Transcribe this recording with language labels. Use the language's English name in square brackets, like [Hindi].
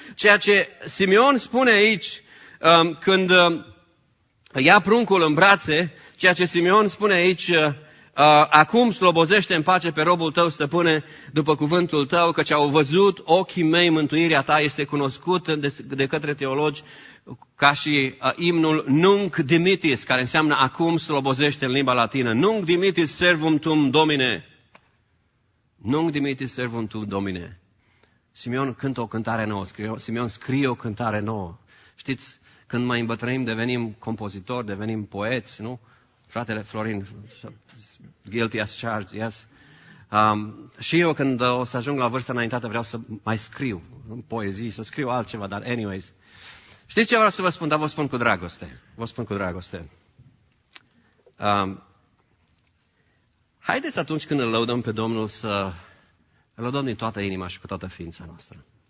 [Romanian] Ceea ce Simeon spune aici, când ia pruncul în brațe, ceea ce Simeon spune aici, acum slobozește în pace pe robul tău, stăpâne, după cuvântul tău, căci au văzut ochii mei, mântuirea ta este cunoscut de către teologi ca și imnul [Latin] Nunc Dimitis, [Romanian] care înseamnă acum slobozește în limba latină. [Latin] Nunc Dimitis servum tum, Domine. Nunc Dimitis servum tum, Domine. [Romanian] Simeon cântă o cântare nouă, Simeon scrie o cântare nouă. Știți, când mai îmbătrânim, devenim compozitori, devenim poeți, nu? [English] Fratele Florin, guilty as charged, yes. [Romanian] Și eu când o să ajung la vârsta înaintată, vreau să mai scriu în poezii, să scriu altceva, dar [English] anyways. [Romanian] Știți ce vreau să vă spun? Dar vă spun cu dragoste. Vă spun cu dragoste. Haideți atunci când îl lăudăm pe Domnul să îl lăudăm din toată inima și cu toată ființa noastră.